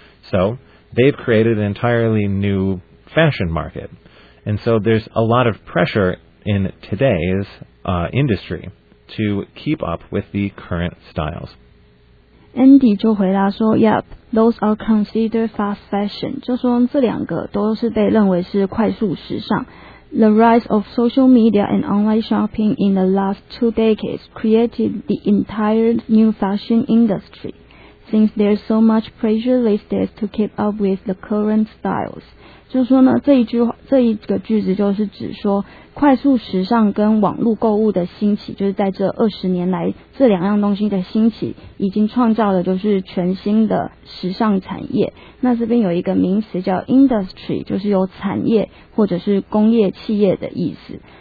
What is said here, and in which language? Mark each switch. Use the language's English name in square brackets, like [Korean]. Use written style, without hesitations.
[English] So they've created an entirely new fashion market. And so there's a lot of pressure in today's industry to keep up with the current styles. Andy [Chinese] 就回答说 [English] ,Yep, those are considered fast fashion. [Chinese] 就说这两个都是被认为是快速时尚。 [English] The rise of social media and online shopping in the last two decades created the entire new fashion industry. Since there's so much pressure these days to keep up with the current styles. [Chinese] 就是说呢，这一个句子就是指说，快速时尚跟网络购物的兴起，就是在这二十年来，这两样东西的兴起，已经创造了就是全新的时尚产业。那这边有一个名词叫 industry， 就是有产业或者是工业企业的意思。